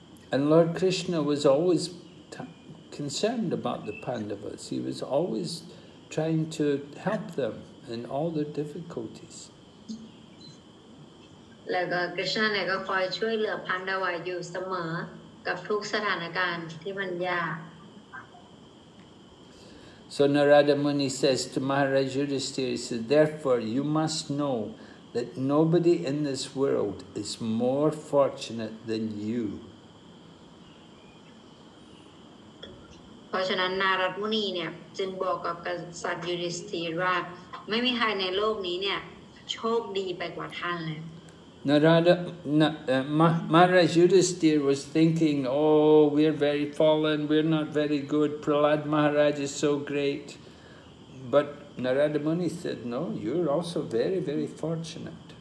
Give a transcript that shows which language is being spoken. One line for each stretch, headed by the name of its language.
English: And Lord Krishna was always concerned about the Pandavas. He was always trying to help them in all their difficulties.
Thai: แล้วก็กฤษณะเนี่ยก็คอยช่วยเหลือพันดาวอยู่เสมอกับทุกสถานการณ์ที่มันยาก
English: So Narada Muni says to Maharaj Yudhisthira, therefore you must know that nobody in this world is more fortunate than you.
Thai: เพราะฉะนั้นนารดมุนีเนี่ยจึงบอกกับกษัตริย์ยุธิสถิรว่าไม่มีใครในโลกนี้เนี่ยโชคดีไปกว่าท่านเลย
English: Narada, Maharaj Yudhisthira was thinking, oh, we're very fallen, we're not very good, Prahlad Maharaj is so great. But Narada Muni said, no, you're also very, very fortunate.